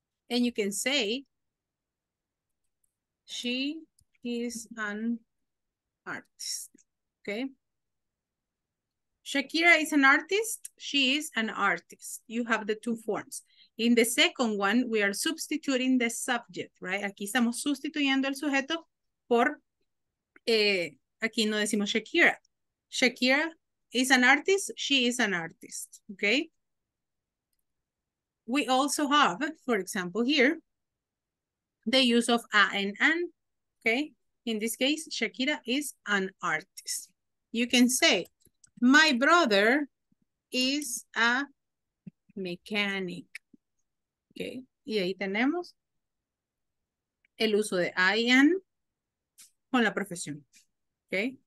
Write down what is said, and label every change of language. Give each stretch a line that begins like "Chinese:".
English: And you can say, she is an artist, okay? Shakira is an artist, she is an artist. You have the two forms. In the second one, we are substituting the subject, right?
Spanish: Aquí estamos sustituyendo el sujeto por, aquí no decimos Shakira.
English: Shakira is an artist, she is an artist, okay? We also have, for example, here, the use of a and an, okay? In this case, Shakira is an artist. You can say, my brother is a mechanic, okay?
Spanish: Y ahí tenemos el uso de a y an con la profesión, okay?